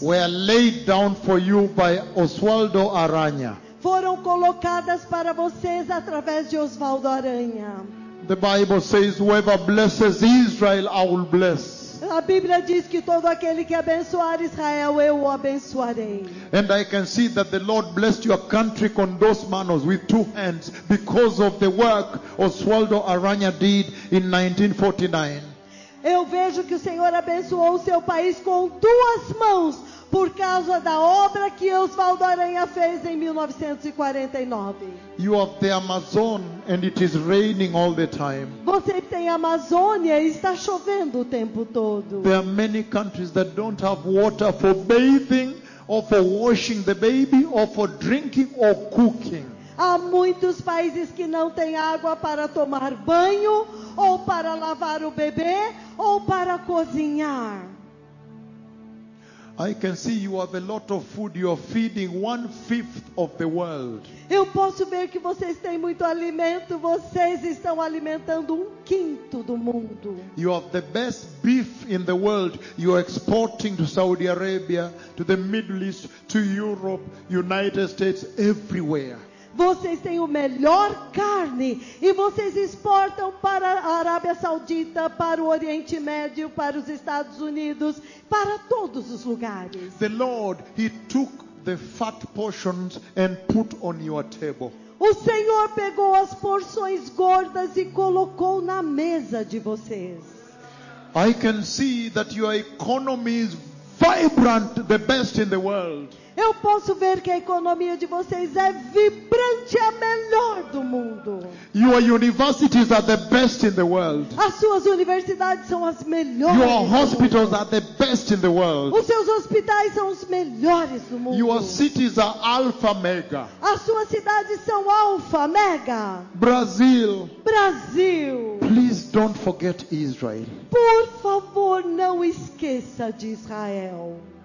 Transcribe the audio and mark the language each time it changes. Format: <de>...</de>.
<en>were laid down for you by Oswaldo Aranha.</en> <pt>Foram colocadas para vocês através de Oswaldo Aranha.</pt> <en>The Bible says, whoever blesses Israel, I will bless.</en> <pt>A Bíblia diz que todo aquele que abençoar Israel, eu o abençoarei.</pt> <en>And I can see that the Lord blessed your country</en> <es>con dos manos</es> <en>with two hands because of the work Oswaldo Aranha did in 1949.</en> <pt>Eu vejo que o Senhor abençoou o seu país com duas mãos por causa da obra que Oswaldo Aranha fez em 1949.</pt> <en>You have the Amazon and it is raining all the time.</en> <pt>Você tem a Amazônia e está chovendo o tempo todo.</pt> <en>There are many countries that don't have water for bathing or for washing the baby or for drinking or cooking.</en> <pt>Há muitos países que não têm água para tomar banho, ou para lavar o bebê, ou para cozinhar.</pt> <en>I can see you have a lot of food. You are feeding 1/5 of the world.</en> <pt>Eu posso ver que vocês têm muito alimento. Vocês estão alimentando 1/5 do mundo.</pt> <en>You have the best beef in the world. You are exporting to Saudi Arabia, to the Middle East, to Europe, United States, everywhere.</en> <pt>Vocês têm o melhor carne e vocês exportam para a Arábia Saudita, para o Oriente Médio, para os Estados Unidos, para todos os lugares.</pt> <en>The Lord, He took the fat portions and put on your table.</en> <pt>O Senhor pegou as porções gordas e colocou na mesa de vocês.</pt> <en>I can see that your economy is vibrant, the best in the world.</en> <pt>Eu posso ver que a economia de vocês é vibrante, a melhor do mundo.</pt> <en>Your universities are the best in the world.</en> <pt>As suas universidades são as melhores.</pt> <en>Your hospitals are the best in the world.</en> <pt>Os seus hospitais são os melhores do mundo.</pt> <en>Your cities are alpha mega.</en> <pt>As suas cidades são alfa, mega.</pt> <en>Brazil.</en> <pt>Brasil.</pt> <en>Please don't forget Israel.</en> <pt>Por favor, não esqueça de Israel.</pt>